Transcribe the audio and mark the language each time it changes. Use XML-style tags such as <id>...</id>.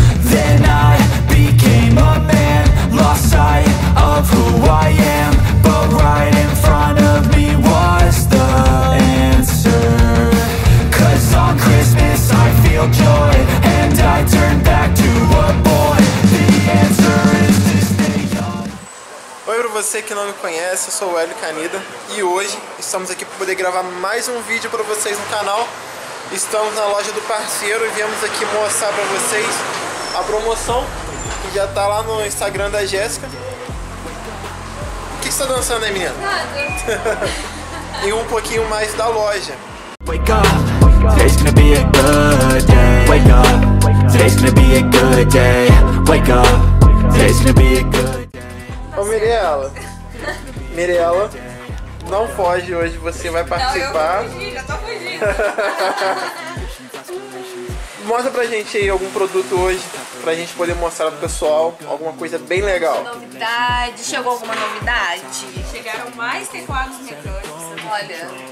<en>Then I became a man, lost sight of who I am, but right in front of me was the answer. On Christmas I feel joy, and I turn back to a boy. The answer is to stay young.</en> <pt>Oi, pra você que não me conhece, eu sou o Hélio Canida. E hoje estamos aqui pra poder gravar mais um vídeo pra vocês no canal. Estamos na loja do parceiro e viemos aqui mostrar pra vocês a promoção que já tá lá no Instagram da Jéssica. O que você tá dançando aí, menina? Nada. E um pouquinho mais da loja.</pt> <en>Wake up. Today's gonna be a good day. Wake up. Today's gonna be a good day. Wake up. Today's gonna be a good day.</en> <pt>Ô, Mirella. Mirella, não foge hoje, você vai participar. Não, eu tô fugindo. Mostra pra gente aí algum produto hoje, pra gente poder mostrar pro pessoal alguma coisa bem legal. Novidade. Chegou alguma novidade? Chegaram mais teclados mecânicos. Olha.</pt>